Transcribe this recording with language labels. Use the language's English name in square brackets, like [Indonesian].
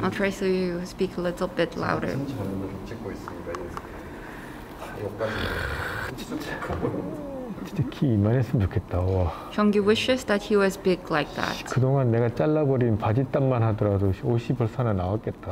[English] I'll try so you speak a little bit louder. [Korean] 진짜 장면을 찍고 있습니다. 여기까지. 진짜 키 이만했으면 좋겠다. 와. [English] Hyunggi wishes that he was big like that. [Korean] 그동안 내가 잘라버린 바짓단만 하더라도 옷이 벌써 하나 나왔겠다.